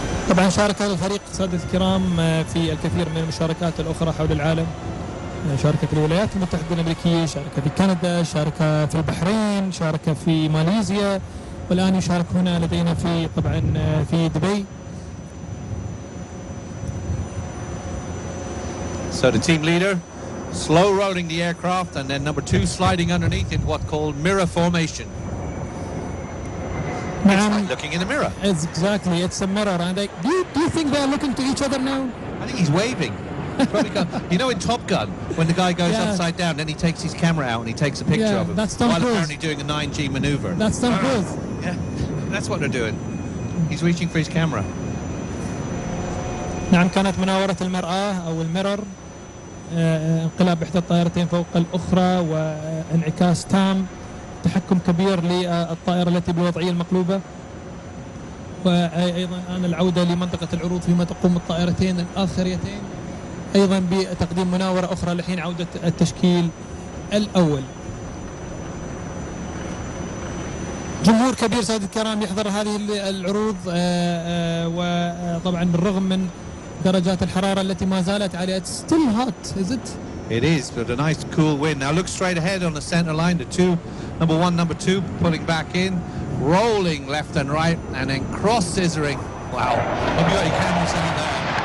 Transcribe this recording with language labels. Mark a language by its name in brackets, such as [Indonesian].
[Arabic] طبعا شارك هذا الفريق سادة الكرام في الكثير من المشاركات الأخرى حول العالم. شارك في الولايات المتحدة الأمريكية, شارك في كندا, شارك في البحرين, شارك في ماليزيا. والآن يشارك هنا لدينا في طبعا في دبي. [English] So the team leader slow rolling the aircraft and then number two sliding underneath in what called mirror formation. It's like looking in the mirror. It's exactly, it's a mirror. And do you think they're looking to each other now? I think he's waving. You know in Top Gun, when the guy goes upside down, then he takes his camera out and he takes a picture of him. That's Tom while Cruise. Apparently doing a 9G maneuver. That's Tom Cruise. Yeah, that's what they're doing. He's reaching for his camera. [Arabic] نعم كانت مناورة المرآة أو الميرور انقلاب إحدى الطائرتين فوق الأخرى وانعكاس تام تحكم كبير للطائرة التي بالوضعية المقلوبة. وأيضا الآن العودة لمنطقة العروض فيما تقوم الطائرتين الآخريتين أيضا بتقديم مناورة أخرى لحين عودة التشكيل الأول. جمهور كبير سادة الكرام يحضر هذه العروض، وطبعا بالرغم من درجات الحرارة التي ما زالت عليها. [English] It's still hot, is it? It is, but a nice cool wind. Now look straight ahead on the center line, the two, number one, number two, pulling back in, rolling left and right, and then cross scissoring. Wow. Have you got your cameras in there?